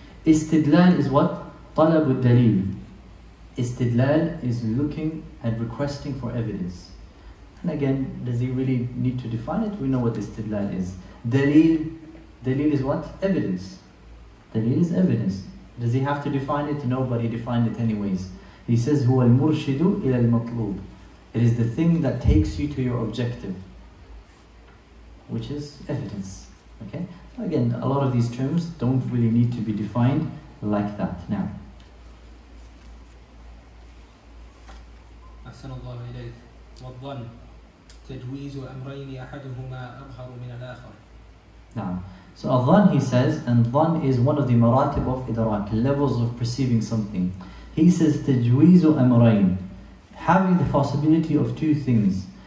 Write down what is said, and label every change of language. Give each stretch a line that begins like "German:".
English: Istidlal is what? Talab al-dalil. Istidlal is looking and requesting for evidence. And again, does he really need to define it? We know what istidlal is. Dalil is what? Evidence. Dalil is evidence. Does he have to define it? No, but he defined it anyways. He says,
Arabic: هو المرشد إلى المطلوب.
English: It is the thing that takes you to your objective, which is evidence. Okay? Again, a lot of these terms don't really need to be defined like that. Now,
Arabic: أحسن الله إليك. والظن تجويز أمرين أحدهما أظهر من الآخر.
English: Now, so الظن, he says, and ظن is one of the مراتب of إدراك, levels of perceiving something. He says
Arabic: تجويز أمرين,
English: having the possibility of two things.